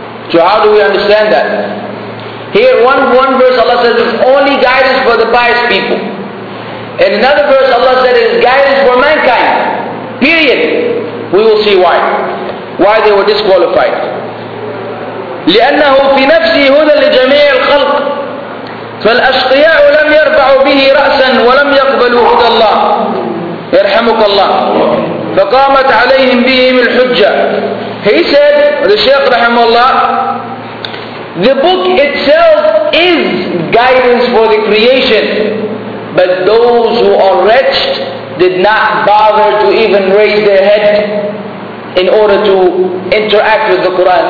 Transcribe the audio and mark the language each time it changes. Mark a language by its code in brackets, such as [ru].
[en] So how do we understand that? Here one verse Allah says it's only guidance for the pious people. In another verse Allah said it is guidance for mankind. Period. We will see why. Why they were disqualified. [ar] لِأَنَّهُ فِي نَفْسِهِ هُدَى لِجَمِيعِ الْخَلْقِ فالأشقياء لم يرفعوا به رأسا ولم يقبلوا هدى الله يرحمك الله فقامت عليهم بهم الحجة. [en] He said, the Shaykh رحمه الله, the book itself is guidance for the creation, but those who are wretched did not bother to even raise their head in order to interact with the Quran.